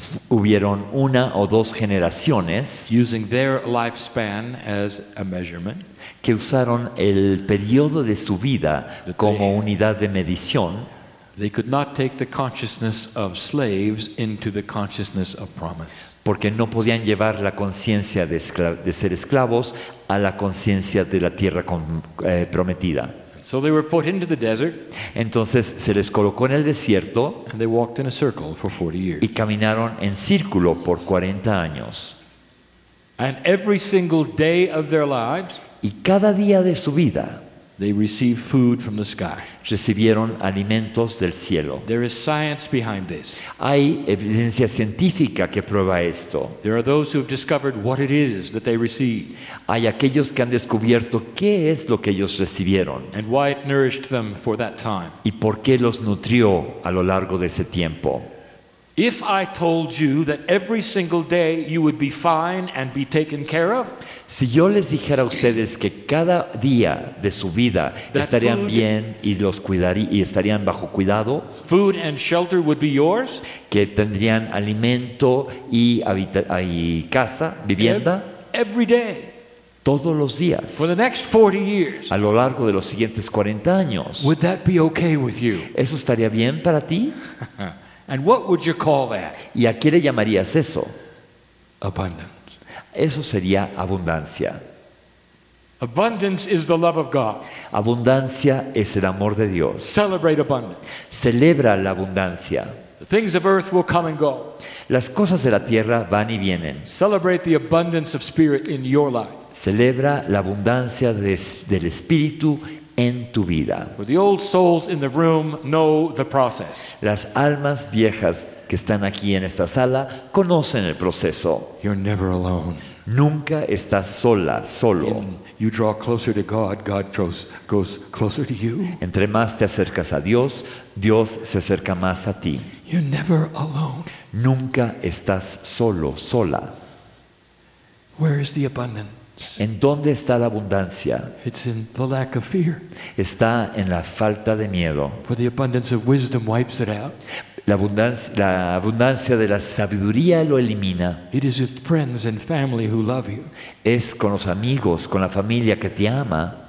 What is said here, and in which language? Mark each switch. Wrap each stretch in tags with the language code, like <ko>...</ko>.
<es>hubieron una o dos generaciones,</es> <en>using their lifespan as a measurement,</en> <es>que usaron el periodo de su vida como unidad de medición.</es> <en>They could not take the consciousness of slaves into the consciousness of promise.</en> <es>Porque no podían llevar la conciencia de ser esclavos a la conciencia de la tierra prometida.</es> <en>So they were put into the desert.</en> <es>Entonces se les colocó en el desierto.</es> <en>And they walked in a circle for 40 years.</en> <es>Y caminaron en círculo por 40 años.</es> <en>And every single day of their lives,</en> <es>y cada día de su vida,</es> <en>they received food from the sky.</en> <es>Recibieron alimentos del cielo.</es> <en>There is science behind this.</en> <es>Hay evidencia científica que prueba esto.</es> <en>There are those who have discovered what it is that they received.</en> <es>Hay aquellos que han descubierto qué es lo que ellos recibieron.</es> <en>And why it nourished them for that time.</en> <es>Y por qué los nutrió a lo largo de ese tiempo.</es> <en>If I told you that every single day you would be fine and be taken care of,</en> <es>si yo les dijera a ustedes que cada día de su vida estarían bien y los cuidaría y estarían bajo cuidado,</es> <en>food and shelter would be yours,</en> <es>que tendrían alimento y casa, vivienda,</es> <en>every day,</en> <es>todos los días,</es> <en>for the next 40 years,</en> <es>a lo largo de los siguientes 40 años,</es> <en>would that be okay with you?</en> <es>¿Eso estaría bien para ti?</es> <en>And what would you call that?</en> <es>¿Y a qué le llamarías eso?</es> <en>Abundance.</en> <es>Eso sería abundancia.</es> <en>Abundance is the love of God.</en> <es>Abundancia es el amor de Dios.</es> <en>Celebrate abundance.</en> <es>Celebra la abundancia.</es> <en>The things of earth will come and go.</en> <es>Las cosas de la tierra van y vienen.</es> <en>Celebrate the abundance of spirit in your life.</en> <es>Celebra la abundancia del espíritu en tu vida.</es> <en>For the old souls in the room know the process.</en> <es>Las almas viejas que están aquí en esta sala conocen el proceso.</es> <en>You're never alone.</en> <es>Nunca estás sola, solo.</es> <en>You draw closer to God, God goes closer to you.</en> <es>Entre más te acercas a Dios, Dios se acerca más a ti.</es> <en>You're never alone.</en> <es>Nunca estás solo, sola.</es> <en>Where is the abundance?</en> <es>¿En dónde está la abundancia?</es> <en>It's in the lack of fear.</en> <es>Está en la falta de miedo.</es> <en>For the abundance of wisdom wipes it out.</en> <es>La abundancia de la sabiduría lo elimina.</es> <en>It is with friends and family who love you.</en> <es>Es con los amigos, con la familia que te ama.</es>